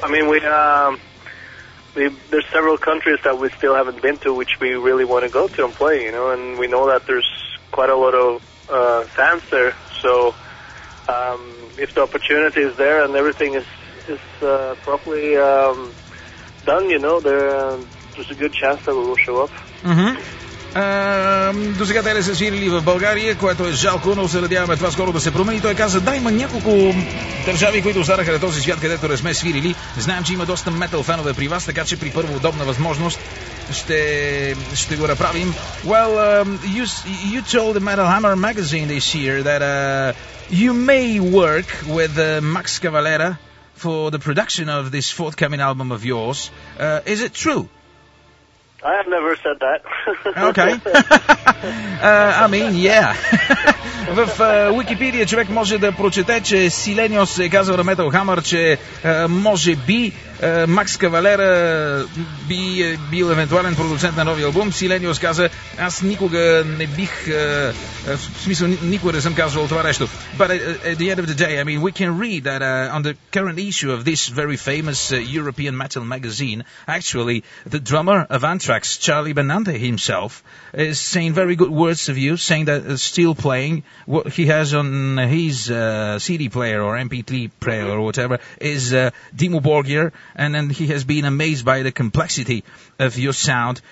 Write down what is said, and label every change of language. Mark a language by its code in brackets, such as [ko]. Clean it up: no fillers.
[en] I mean, there's several countries that we still haven't been to, which we really want to go to and play, you know. And we know that there's quite a lot of fans there. So if the opportunity is there and everything is properly done, you know, there's a good chance that we will show up. Mm-hmm. [bg] Досега те не са свирили в България, което е жалко, но се надяваме това скоро да се промени. Той каза, дай ма няколко държави, които останаха на този свят, където не сме свирили. Знаем, че има доста метал фенове при вас, така че при първо удобна възможност ще го направим. [en] Well, you told the Metal Hammer magazine this year that you may work with Max Cavalera for the production of this forthcoming album of yours. Is it true? I have never said that. Okay. I mean, yeah. [bg] В Wikipedia човек може да прочете, че Силенио се казва на Metal Hammer, че може би Макс Кавалера би бил евентуален продуцент на нови албум. Силенио каза, аз никога не бих, в смисъл, никога не съм казвал това нещо. [en] But at the end of the day, I mean, we can read that on the current issue of this very famous European metal magazine, actually, the drummer of Anthrax, Charlie Benante himself, is saying very good words of you, saying that still playing what he has on his CD player or MP3 player or whatever is Dimmu Borgir, and then he has been amazed by the complexity of your sound.